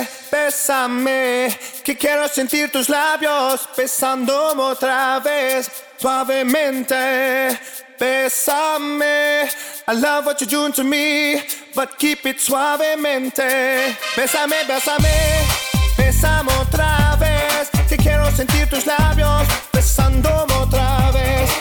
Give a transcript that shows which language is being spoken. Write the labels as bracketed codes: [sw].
[es] Bésame, que quiero sentir tus labios besándome otra vez. Suavemente, bésame. [en] I love what you're doing to me, but keep it suavemente. [es] Bésame, bésame, bésame otra vez. Que quiero sentir tus labios besándome otra vez.